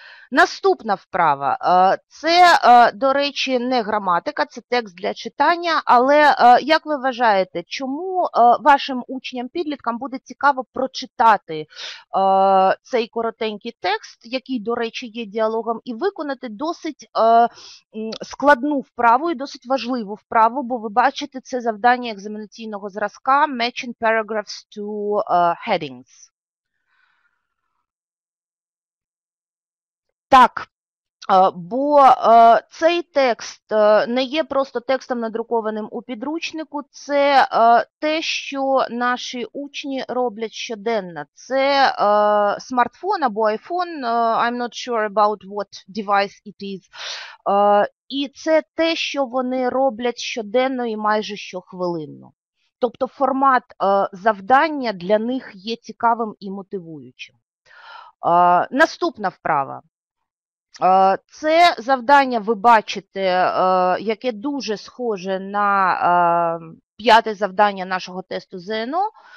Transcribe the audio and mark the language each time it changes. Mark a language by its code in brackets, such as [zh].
[uk] Наступна вправа. Це, до речі, не граматика, це текст для читання, але як ви вважаєте, чому вашим учням-підліткам буде цікаво прочитати цей коротенький текст, який, до речі, є діалогом, і виконати досить складну вправу і досить важливу вправу, бо ви бачите це завдання екзаменаційного зразка [en] «Matching paragraphs to headings». [uk] Так, бо цей текст не є просто текстом, надрукованим у підручнику, це те, що наші учні роблять щоденно. Це смартфон або iPhone, [en] I'm not sure about what device it is. [uk] І це те, що вони роблять щоденно і майже щохвилинно. Тобто формат завдання для них є цікавим і мотивуючим. Наступна вправа. Це завдання, ви бачите, яке дуже схоже на п'яте завдання нашого тесту ЗНО.